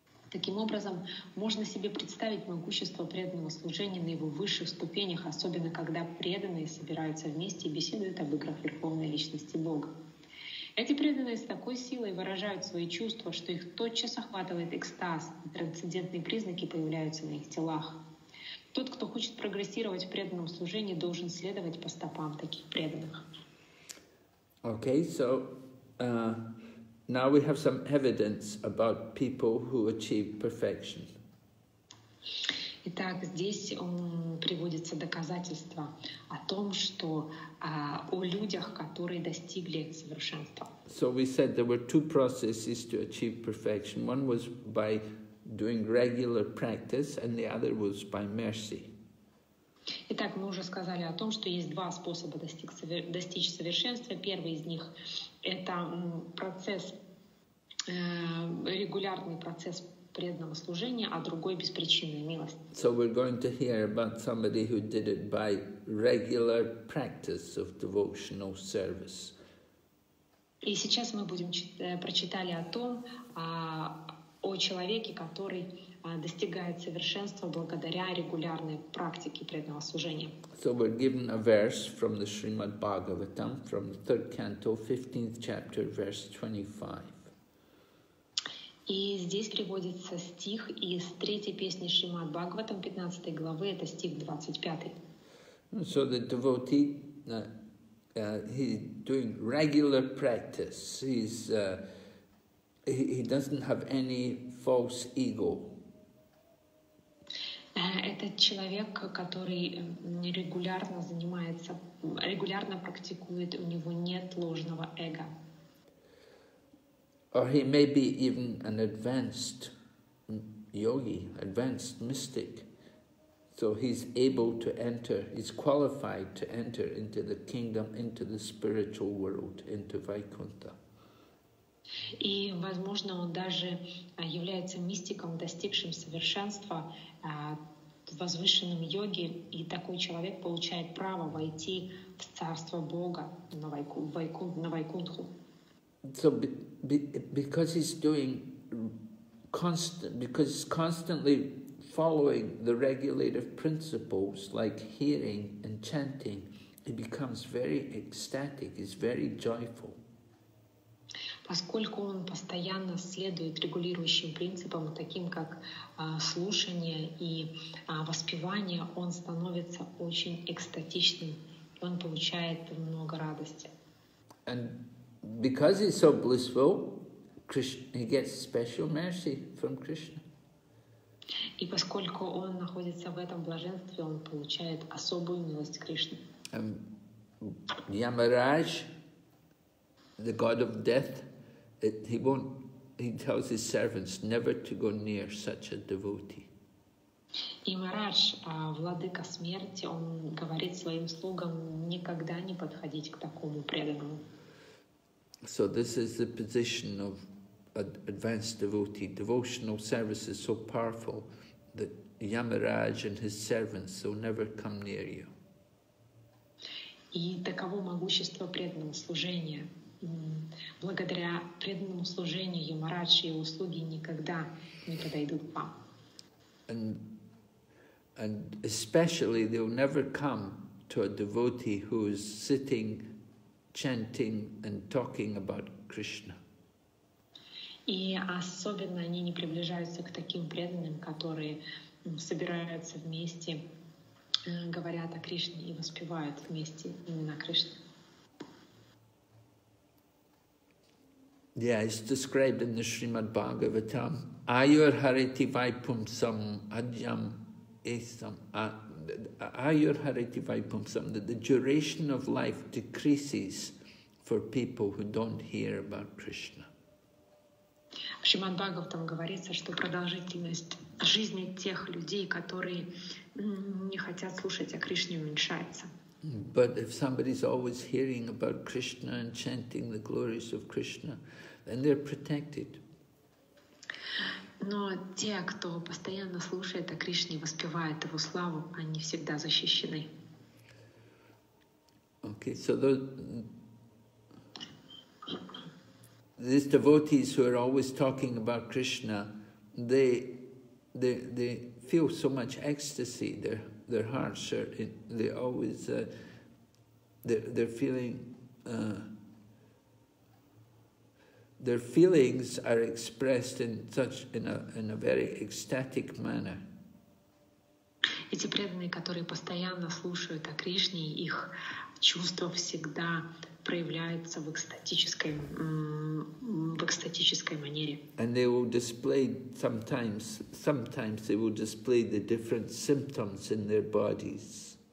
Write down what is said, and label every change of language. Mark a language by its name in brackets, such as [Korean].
[Russian] Таким образом, можно себе представить могущество преданного служения на его высших ступенях, особенно когда преданные собираются вместе и беседуют об играх Верховной Личности Бога. Эти преданные с такой силой выражают свои чувства, что их тотчас охватывает экстаз, и трансцендентные признаки появляются на их телах. Тот, кто хочет прогрессировать в преданном служении, должен следовать по стопам таких преданных. [English] Okay, so now we have some evidence about people who achieve perfection. [Russian] Итак, здесь приводится доказательство о том, что о людях, которые достигли совершенства. [English] So we said there were two processes to achieve perfection. One was by doing regular practice, and the other was by mercy. [Russian] Итак, мы уже сказали о том, что есть два способа достичь совершенства. Первый из них — это процесс, регулярный процесс преданного служения, а другой — беспричинная милость. [English] So we're going to hear about somebody who did it by regular practice of devotional service. [Russian] И сейчас мы будем прочитали о том, о человеке, который достигает совершенства благодаря регулярной практике преданного служения. [English] So we're given a verse from the Srimad Bhagavatam, from the third canto, 15th chapter, verse 25. [Russian] И здесь приводится стих из третьей песни Шримад Бхагаватам, 15 главы, это стих 25. [English] So the devotee, he's doing regular practice. He doesn't have any false ego. [Russian] Этот человек, который регулярно занимается, регулярно практикует, у него нет ложного эго. [English] Or he may be even an advanced yogi, advanced mystic. So he's able to enter, he's qualified to enter into the kingdom, into the spiritual world, into Vaikuntha. [Russian] И, возможно, он даже является мистиком, достигшим совершенства, возвышенным йоги, и такой человек получает право войти в царство Бога на Вайкунтху. [English] So because he's doing constant, because he's constantly following the regulative principles like hearing and chanting, he becomes very ecstatic. He's very joyful. [Russian] Поскольку он постоянно следует регулирующим принципам, таким как слушание и воспевание, он становится очень экстатичным, и он получает много радости. [English] And because he's so blissful, Krishna, he gets special mercy from Krishna. [Russian] И поскольку он находится в этом блаженстве, он получает особую милость Кришны. [English] Yamaraj, the god of death, He tells his servants never to go near such a devotee. [Russian] Ямарадж, владыка смерти, он говорит своим слугам никогда не подходить к такому преданному. [English] So this is the position of an advanced devotee. Devotional service is so powerful that Yamaraj and his servants will never come near you. [Russian] И таково могущество преданного служения. Благодаря преданному служению Ямарадж и его слуги никогда не подойдут к вам. [English] And especially they will never come to a devotee who is sitting, chanting and talking about Krishna. [Russian] И особенно они не приближаются к таким преданным, которые собираются вместе, говорят о Кришне и воспевают вместе именно Кришну. [English] Yeah, it's described in the Srimad Bhagavatam. [Sanskrit] Ayur Hariti Vaipumsam Adyam Esam. Ayur Hariti Vaipumsam, [English] that the duration of life decreases for people who don't hear about Krishna. [Russian] В Шримад-Бхагаватам говорится, что продолжительность жизни тех людей, которые не хотят слушать о Кришне, уменьшается. [English] But if somebody is always hearing about Krishna and chanting the glories of Krishna, then they're protected. [Russian] Но те, кто постоянно слушает о Кришне, воспевает его славу, они всегда защищены. [English] Okay, so these devotees who are always talking about Krishna, they feel so much ecstasy. Their hearts are in, they always they're feeling their feelings are expressed in such in a very ecstatic manner. [Russian] Эти преданные, которые постоянно слушают о Кришне, их чувства всегда проявляются в экстатической манере. [English] And they will display sometimes they will display the different symptoms in their bodies.